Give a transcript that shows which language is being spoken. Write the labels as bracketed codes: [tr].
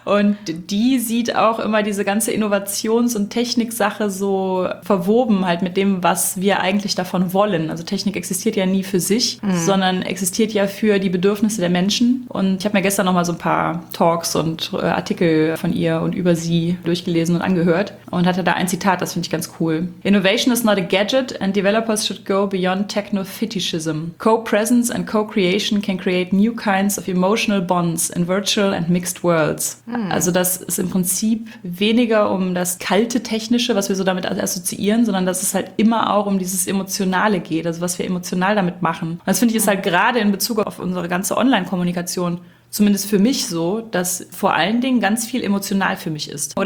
[de] Und die sieht auch immer diese ganze Innovations- und Technik-Sache so verwoben halt mit dem, was wir eigentlich davon wollen. Also Technik existiert ja nie für sich, sondern existiert ja für die Bedürfnisse der Menschen. Und ich habe mir gestern nochmal so ein paar Talks und Artikel von ihr und über sie durchgelesen und angehört und hatte da ein Zitat, das finde ich ganz cool. [en] Innovation is not a gadget and developers should go beyond techno-fetishism. Co-presence and co-creation can create new kinds of emotional bonds in virtual and mixed worlds. Mhm. [de] Also das ist im Prinzip weniger um das kalte Technische, was wir so damit assoziieren, sondern dass es halt immer auch um dieses Emotionale geht, also was wir emotional damit machen. Und das finde ich ist halt gerade in Bezug auf unsere ganze Online-Kommunikation zumindest für mich so, dass vor allen Dingen ganz viel emotional für mich ist.